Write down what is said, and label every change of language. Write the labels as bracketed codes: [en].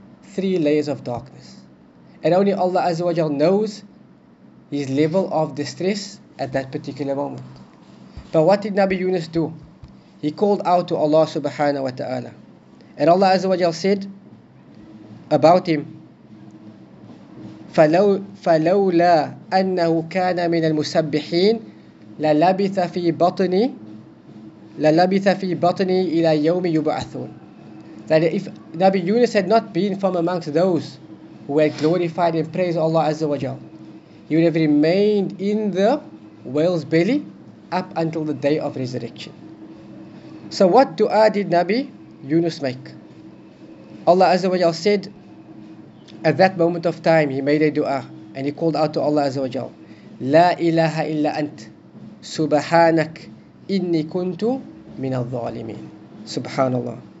[en] Three layers of darkness. And only Allah Azza wa Jalla knows his level of distress at that particular moment. But what did Nabi Yunus do? He called out to Allah subhanahu wa ta'ala. And Allah Azza wa Jalla said about him, [ar] فلولا أنه كان من المسبحين للبث في بطني إلى يوم يبعثون. [en] That if Nabi Yunus had not been from amongst those who had glorified and praised Allah Azza wa Jal, he would have remained in the whale's belly up until the day of resurrection. So what dua did Nabi Yunus make? Allah Azza wa Jal said, at that moment of time, he made a dua and he called out to Allah Azza wa Jal, [ar] La ilaha illa ant, subhanak, inni kuntu min al-zalimin. [en] Subhanallah.